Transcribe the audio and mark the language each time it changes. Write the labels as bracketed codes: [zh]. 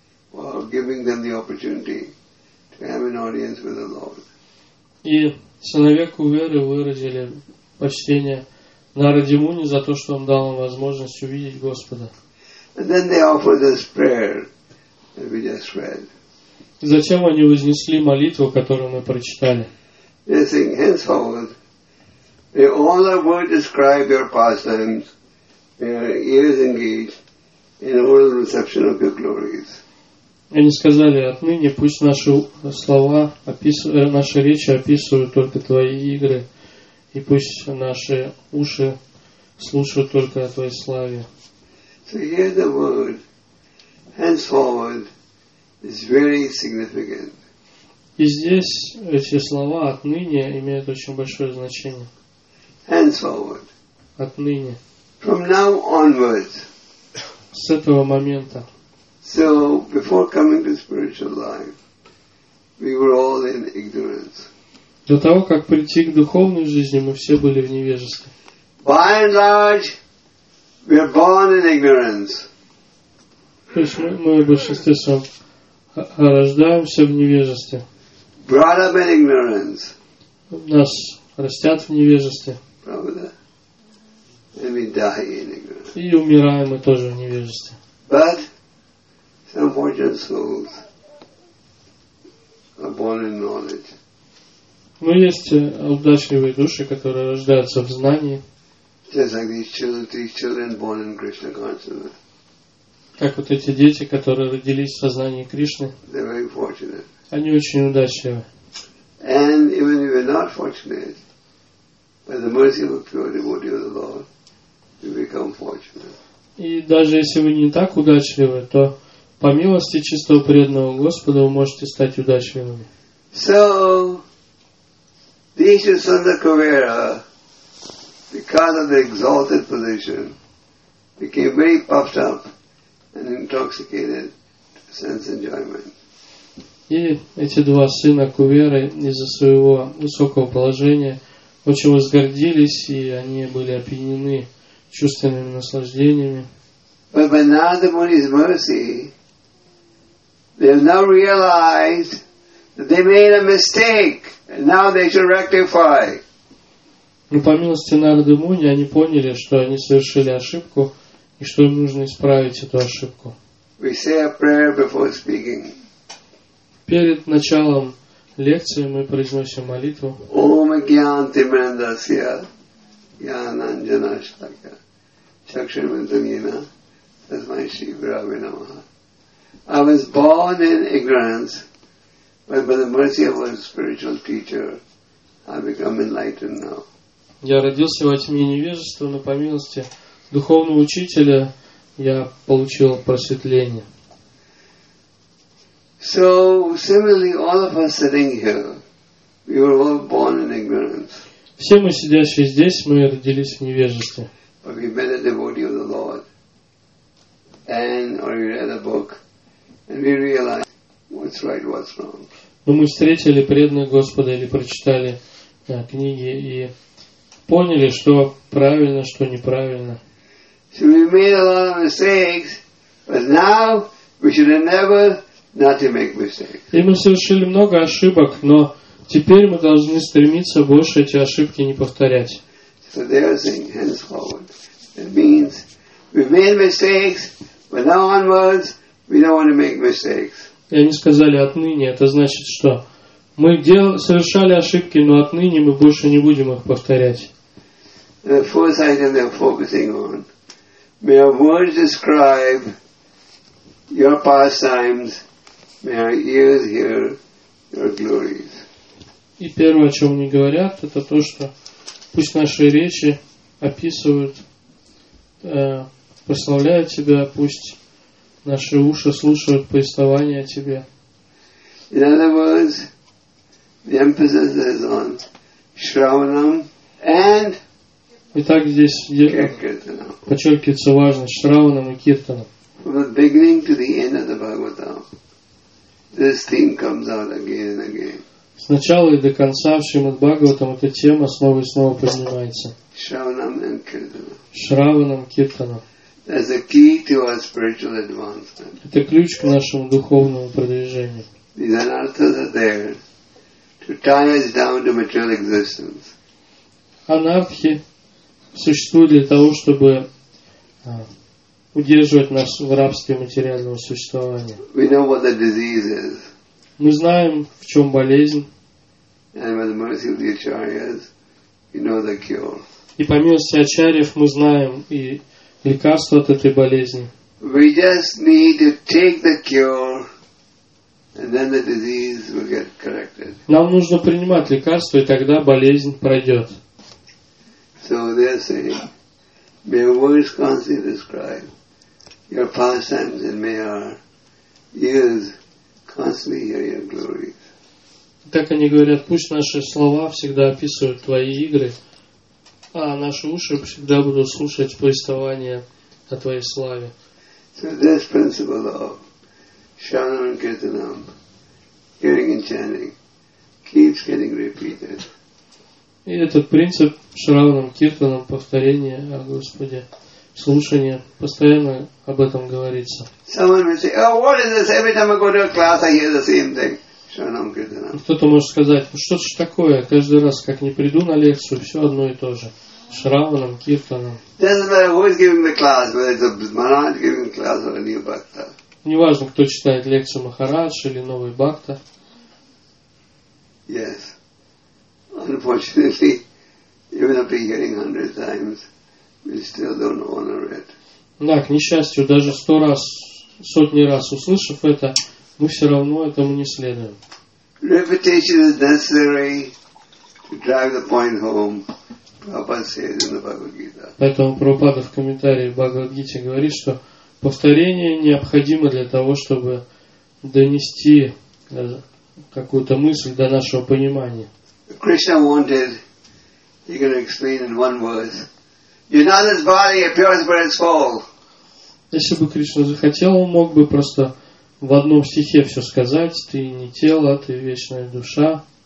[en] While giving them the opportunity to have an audience with the Lord. [ru] И сыновья Куверы выразили почтение Нараде Муни за то, что он дал им возможность увидеть Господа. [en] And then they offered this prayer that we just read. [ru] И затем они вознесли молитву, которую мы прочитали. [en] They sing, henceforward, may all our words describe your pastimes, may our ears engage in oral reception of your glories. [ru] Они сказали, отныне пусть наши речи описывают только твои игры, и пусть наши уши слушают только о твоей славе. [en] So hear the word. Henceforward is very significant. [ru] И здесь эти слова отныне имеют очень большое значение. [en] Henceforward. [ru] Отныне. [en] From now onwards. [ru] С этого момента. [en] So before coming to spiritual life, we were all in ignorance. [ru] До того как прийти к духовной жизни, мы все были в невежестве. [en] By and large, we are born in ignorance. [ru] То есть мы в большинстве своем рождаемся в невежестве. [en] Brought up in ignorance. [ru] Нас растят в невежестве. [en] And we die in ignorance. [ru] И умираем мы тоже в невежестве. [en] But some fortunate souls are born in knowledge. [ru] Но есть удачливые души, которые рождаются в знании. [en] Just like these children born in Krishna consciousness. [ru] Как вот эти дети, которые родились в сознании Кришны. [en] They're very fortunate. [ru] Они очень удачливы. [en] And even if we're not fortunate, by the mercy of a pure devotee of the Lord, we become fortunate. [ru] И даже если вы не так удачливы, то по милости чистого преданного Господа вы можете стать удачливыми. [en] So, these are Sundar Kuvera, because of the exalted position, became very puffed up and intoxicated sense enjoyment. [ru] И эти два сына Куверы из-за своего высокого положения очень возгордились, и они были опьянены чувственными наслаждениями. [en] But by Narada Muni's mercy, they have now realized that they made a mistake, and now they should rectify. [ru] Но по милости Нарады Муни они поняли, что они совершили ошибку, и что им нужно исправить эту ошибку. [en] We say a prayer before speaking. [ru] Перед началом лекции мы произносим молитву. [sa] Ом Агьянти Мендасья Гьянанджана Шакья Чакшвиндамина Тасмай Шри Гурве Намаха. [en] I was born in ignorance, but by the mercy of a spiritual teacher, I become enlightened now. [ru] Я родился во тьме невежества, но по милости духовного учителя я получил просветление. [en] So similarly, all of us sitting here, we were all born in ignorance. [ru] Все мы сидящие здесь, мы родились в невежестве. [en] But we met a devotee of the Lord, or we read a book, and we realized what's right, what's wrong. [ru] Но мы встретили преданного Господа или прочитали книги и поняли, что правильно, что неправильно. [en] So we made a lot of mistakes, but now we should endeavor not to make mistakes. [ru] И мы совершили много ошибок, но теперь мы должны стремиться больше эти ошибки не повторять. [en] So they are saying henceforward. It means we made mistakes, but now onwards we don't want to make mistakes. [ru] И они сказали отныне, это значит что? Мы совершали ошибки, но отныне мы больше не будем их повторять. [en] The first item they're focusing on. May our words describe your pastimes. May our ears hear your glories. [ru] И первое, о чем они говорят, это то, что пусть наши речи описывают, прославляют тебя, пусть наши уши слушают повествование о тебе. [en] In other words, the emphasis is on Shravanam and [ru] Итак, здесь подчеркивается важность Шраванам и Киртанам. [en] From the beginning to the end of the Bhagavatam, this theme comes out again and again. [ru] С начала и до конца в Шримад Бхагаватам эта тема снова и снова поднимается. [en] Shravanam and Kirtanam. [ru] Шраванам, Киртанам. [en] As a key to our spiritual advancement. [ru] Это ключ к нашему духовному продвижению. [en] These anarthas are there to tie us down to material existence. [ru] Анартхи существуют для того, чтобы удерживать нас в рабстве материального существования. [en] We know what the disease is. [ru] Мы знаем, в чем болезнь. [en] And by the mercy of the acharyas, we know the cure. [ru] И по милости ачарьев мы знаем и лекарство от этой болезни. [en] We just need to take the cure. And then the disease will get corrected. [ru] Нам нужно принимать лекарство, и тогда болезнь пройдет. [en] So they're saying, may your words constantly describe your pastimes, and may our ears constantly hear your glories. [ru] Так они говорят, пусть наши слова всегда описывают твои игры, а наши уши всегда будут слушать повествования о твоей славе. [en] So this principle of Shravanam and Kirtanam, hearing and chanting, keeps getting repeated. [ru] И этот принцип Шраванам, Киртанам, повторение о Господе, слушания постоянно об этом говорится. Кто-то может сказать, что же такое, каждый раз, как не приду на лекцию, все одно и то же. Шраванам, киртанам. Неважно, кто читает лекцию Махарадж или Новый Бхакта. [en] Yes. Unfortunately, even after hearing 100 times, we still don't honor it. [ru] Да, к несчастью, даже 100 раз, сотни раз услышав это, мы все равно этому не следуем. [en] Repetition is necessary to drive the point home. Prabhupada says in the Bhagavad Gita. [ru] Поэтому Прабхупада в комментарии в Бхагавад Гите говорит, что повторение необходимо для того, чтобы донести какую-то мысль до нашего понимания. [en] Krishna wanted, he can explain in one word. You're not this body, a pure spirit's soul. [ru] Если бы Кришна захотел, он мог бы просто в одном стихе все сказать. Ты не тело, ты вечная душа.